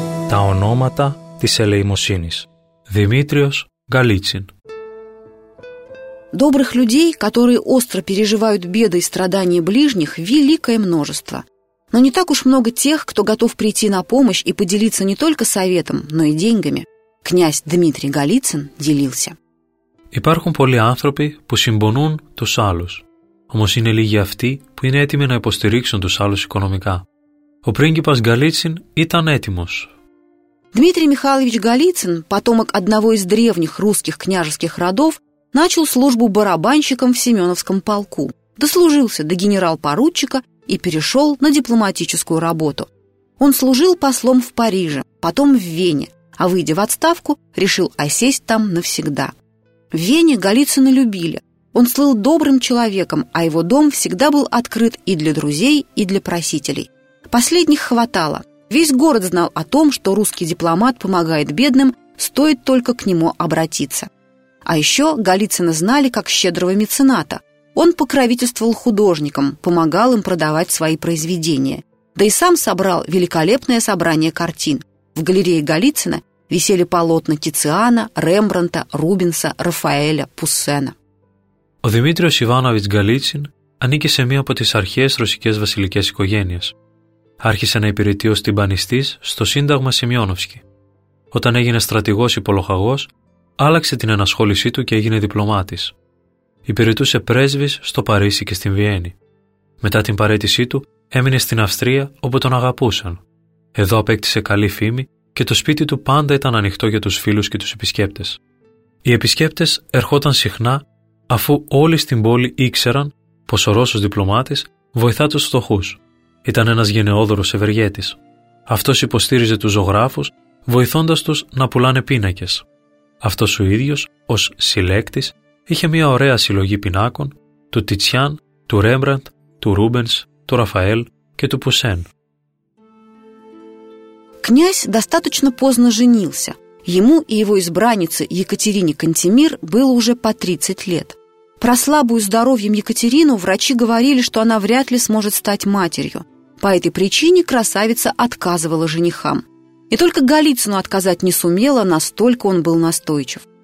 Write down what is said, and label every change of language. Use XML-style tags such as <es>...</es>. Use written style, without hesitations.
<el>Та ономата тис элеймосинис. Димитриос Галицин.</el> <ru>Добрых людей, которые остро переживают беды и страдания ближних, великое множество. Но не так уж много тех, кто готов прийти на помощь и поделиться не только советом, но и деньгами. Князь Дмитрий Голицын делился.</ru> <el>Υπάρχουν πολλοί άνθρωποι που συμπονούν τους άλλους. Όμως είναι λίγοι αυτοί που είναι έτοιμοι να υποστηρίξουν τους άλλους οικονομικά. Ο πρίγκιπας Γκαλίτσιν ήταν έτοιμος.</el> <ru>Дмитрий Михайлович Голицын, потомок одного из древних русских княжеских родов, начал службу барабанщиком в Семеновском полку, дослужился до генерал-поручика и перешел на дипломатическую работу. Он служил послом в Париже, потом в Вене, а, выйдя в отставку, решил осесть там навсегда. В Вене Голицына любили. Он слыл добрым человеком, а его дом всегда был открыт и для друзей, и для просителей. Последних хватало. Весь город знал о том, что русский дипломат помогает бедным, стоит только к нему обратиться. А еще Голицына знали как щедрого мецената. Он покровительствовал художникам, помогал им продавать свои произведения. Да и сам собрал великолепное собрание картин. В галерее Голицына висели полотна Тициана, Рембрандта, Рубенса, Рафаэля, Пуссена.</ru> <el>Ο Δημήτριος Ιβάνοβιτς Γκαλίτσιν ανήκε σε μία από τις αρχαίες ρωσικές βασιλικές οικογένειες. Άρχισε να υπηρετεί ως τυμπανιστής στο Σύνταγμα Σημειώνοφσκι. Όταν έγινε στρατηγός υπολοχαγός, άλλαξε την ενασχόλησή του και έγινε διπλωμάτης. Υπηρετούσε πρέσβης στο Παρίσι και στην Βιέννη. Μετά την παραίτησή του, έμεινε στην Αυστρία όπου τον αγαπούσαν. Εδώ απέκτησε καλή φήμη και το σπίτι του πάντα ήταν ανοιχτό για τους φίλους και τους επισκέπτες. Οι επισκέπτες ερχόταν συχνά, αφού όλοι στην πόλη ήξεραν πως ο Ρώσος διπλωμάτης βοηθά τους φτωχούς. Ήταν ένας γενναιόδωρος ευεργέτης. Αυτός υποστήριζε τους ζωγράφους, βοηθώντας τους να πουλάνε πίνακες. Αυτός ο ίδιος, ως συλλέκτης, είχε μια ωραία συλλογή πινάκων του Τιτσιάν, του Ρέμπραντ, του Ρούμπενς, του Ραφαέλ και του Πουσέν.</el> <ru>Князь достаточно поздно женился. Ему и его избраннице Екатерине Кантемир было уже по 30 лет. Про слабую здоровьем Екатерину врачи говорили, что она вряд ли сможет стать матерью. По этой причине красавица отказывала женихам. И только Голицыну отказать не сумела, настолько он был настойчив.</ru>